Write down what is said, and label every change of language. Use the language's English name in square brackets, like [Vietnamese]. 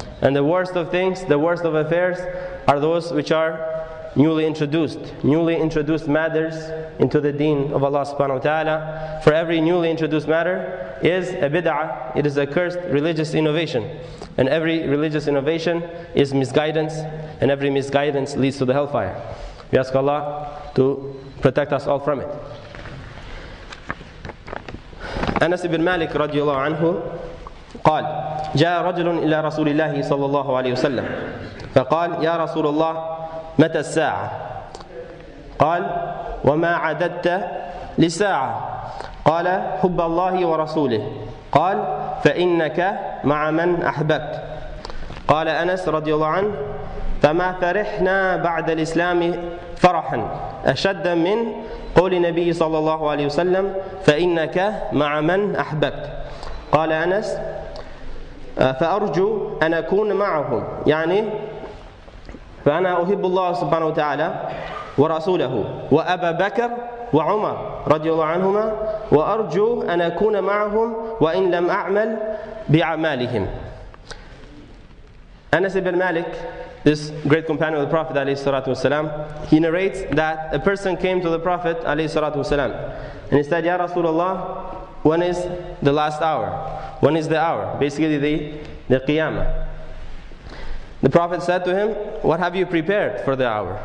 [English] And the worst of things, the worst of affairs, are those which are newly introduced matters into the deen of Allah subhanahu wa ta'ala. For every newly introduced matter is a bid'ah, it is a cursed religious innovation. And every religious innovation is misguidance, and every misguidance leads to the hellfire. We ask Allah to protect us all from it. [Arabic] Anas ibn Malik radiyallahu anhu قال جاء رجل إلى رسول الله صلى الله عليه وسلم فقال يا رسول الله متى الساعة؟ قال وما عددت لساعة؟ قال حب الله ورسوله. قال فإنك مع من أحببت. قال أنس رضي الله عنه فما فرحنا بعد الإسلام فرحا أشد من قول النبي صلى الله عليه وسلم فإنك مع من أحببت. قال أنس فأرجو أن أكون معهم، يعني فأنا أحب الله سبحانه وتعالى ورسوله وأبا بكر وعمر رضي الله عنهما، وأرجو أن أكون معهم وإن لم أعمل بأعمالهم. [English] Anas ibn Malik, this great companion of the Prophet [Arabic] عليه الصلاة والسلام, [English] he narrates that a person came to the Prophet عليه الصلاة والسلام and he said, [Arabic] يا رسول الله, [English] when is the last hour? When is the hour? Basically the Qiyamah. The Prophet said to him, what have you prepared for the hour?